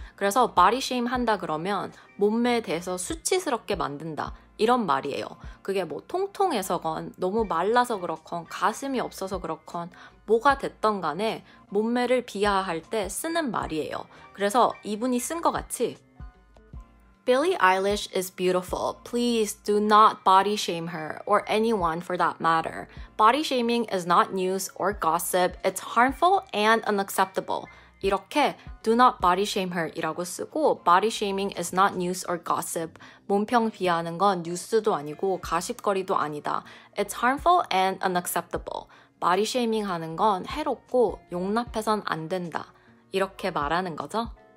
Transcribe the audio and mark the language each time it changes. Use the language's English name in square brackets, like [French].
[Korean] 그래서 body shame 한다 그러면 몸매에 대해서 수치스럽게 만든다 이런 말이에요. 그게 뭐 통통해서건 너무 말라서 그렇건 가슴이 없어서 그렇건 뭐가 됐던 간에 몸매를 비하할 때 쓰는 말이에요. 그래서 이분이 쓴 것 같이 [English] Billie Eilish is beautiful. Please do not body shame her or anyone for that matter. Body shaming is not news or gossip. It's harmful and unacceptable. [Korean] 이렇게 [English] do not body shame her [Korean] 이라고 쓰고 [English] body shaming is not news or gossip [Korean] 몸평 비하하는 건 뉴스도 아니고 가십거리도 아니다 [English] it's harmful and unacceptable [Korean] body shaming 하는 건 해롭고 용납해선 안 된다 이렇게 말하는 거죠